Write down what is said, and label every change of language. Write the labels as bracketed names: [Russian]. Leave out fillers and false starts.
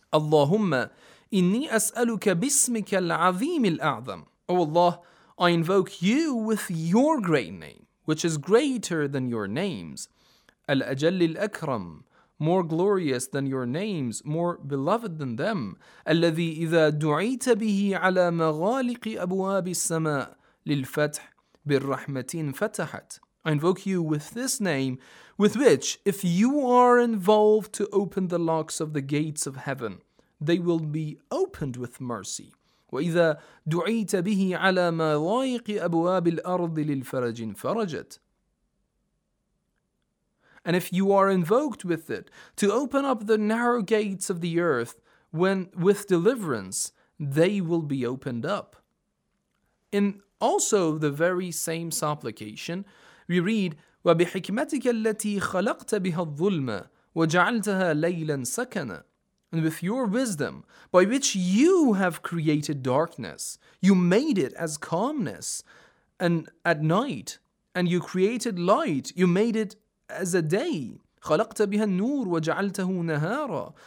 [Arabic] Allahumma, inni as'aluka bismika al-azim al-a'zam. [English] O Allah, I invoke you with your great name, which is greater than your names. [Arabic] Al-ajalli al-akram. [English] More glorious than your names, more beloved than them. [Arabic] الذي إذا دعيت به على مغالق أبواب السماء للفتح بالرحمة فتحت. [English] I invoke you with this name, with which, if you are involved to open the locks of the gates of heaven, they will be opened with mercy. [Arabic] وإذا دعيت به على مغالق أبواب الأرض للفرج فرجت. [English] And if you are invoked with it to open up the narrow gates of the earth, when with deliverance, they will be opened up. In also the very same supplication, we read, [Arabic] وَبِحِكْمَتِكَ الَّتِي خَلَقْتَ بِهَا الظُّلْمَ وَجَعَلْتَهَا لَيْلًا سَكَنًا. [English] And with your wisdom, by which you have created darkness, you made it as calmness, and at night, and you created light, you made it as a day. [Arabic] خلقت بها النور وجعلته نهارا.